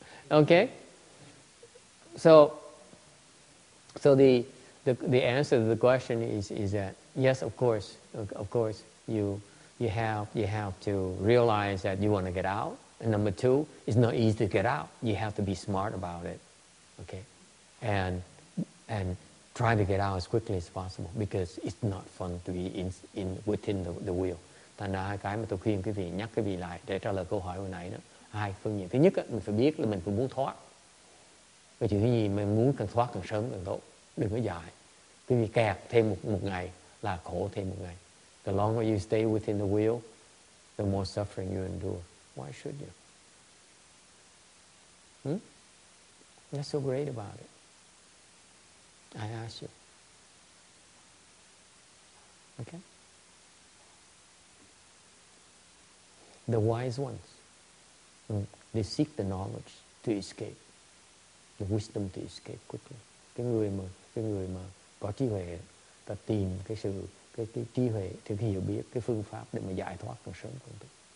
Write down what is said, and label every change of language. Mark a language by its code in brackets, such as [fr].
[en] Okay. So the answer to the question is that yes, of course you have to realize that you want to get out. And number two, it's not easy to get out. You have to be smart about it. Okay? And try to get out as quickly as possible because it's not fun to be in within the wheel. [vi] Thành ra hai cái mà tôi khuyên quý vị nhắc quý vị lại để trả lời câu hỏi hồi nãy đó. Hai phương diện. Thứ nhất á, mình phải biết là mình cũng muốn thoát. Và chuyện thứ nhì, mình muốn càng thoát càng sớm càng tốt. Đừng có dài. Quý vị kẹt thêm một ngày là khổ thêm một ngày. [en] The longer you stay within the wheel, the more suffering you endure. Why should you? That's so great about it. I ask you. Okay? The wise ones. They seek the knowledge to escape, the wisdom to escape quickly. [vi] Cái người mà có trí huệ, ta tìm cái sự cái trí huệ, thì cái hiểu biết, cái phương pháp để mà giải thoát càng sớm càng tốt.